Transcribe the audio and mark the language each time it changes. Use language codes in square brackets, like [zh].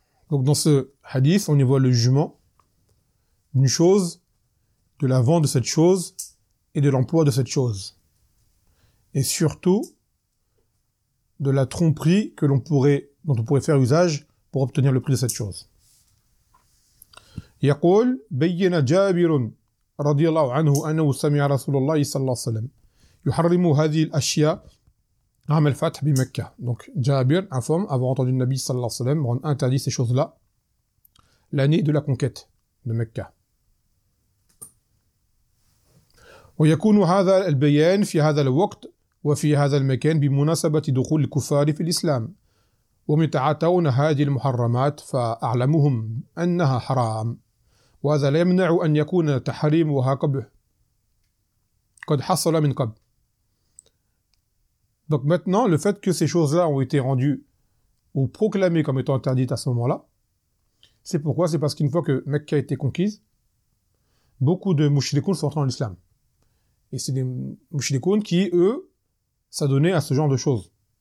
[fr] Donc dans ce hadith, on y voit le jugement d'une chose, de la vente de cette chose et de l'emploi de cette chose. Et surtout, de la tromperie que l'on pourrait, dont on pourrait faire usage pour obtenir le prix de cette chose. [ar] يقول بين جابر رضي الله عنه أنه سمع رسول الله صلى الله عليه وسلم يحرم هذه الأشياء عام الفتح بمكة. [fr] Donc جابر informe avoir entendu le Nabi [ar] صلى الله عليه وسلم [fr] rendre interdit ces choses-là l'année de la conquête de Mecca. [ar] ويكون هذا البيان في هذا الوقت وفي هذا المكان بمناسبة دخول الكفار في الإسلام ومن تعاتون هذه المحرمات فأعلمهم أنها حرام وهذا لا يمنع أن يكون تحريمها قبل قد حصل من قبل. [fr] Donc maintenant, le fait que ces choses-là ont été rendues ou proclamées comme étant interdites à ce moment-là, c'est pourquoi ? C'est parce qu'une fois que Mecca a été conquise, beaucoup de mouchidikoun sont entrés dans l'islam. Et c'est des mouchidikoun qui, eux, s'adonnaient à ce genre de choses.